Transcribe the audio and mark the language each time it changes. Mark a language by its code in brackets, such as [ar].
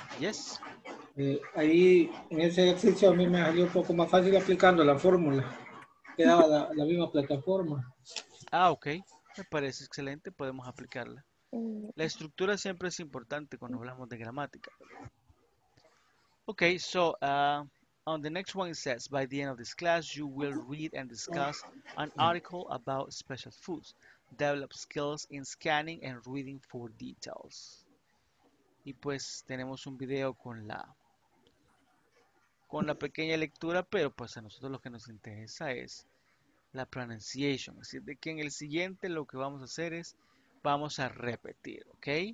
[en] Yes. [es] Ahí, en ese ejercicio, a mí me salió un poco más fácil aplicando la fórmula. Quedaba la misma plataforma. Okay. Me parece excelente. Podemos aplicarla. La estructura siempre es importante cuando hablamos de gramática. [en] Okay, so on the next one it says, by the end of this class, you will read and discuss an article about special foods. Develop skills in scanning and reading for details. [es] Y pues tenemos un video con la pequeña lectura, pero pues a nosotros lo que nos interesa es la pronunciation. Así de que en el siguiente lo que vamos a hacer es, vamos a repetir, ¿ok?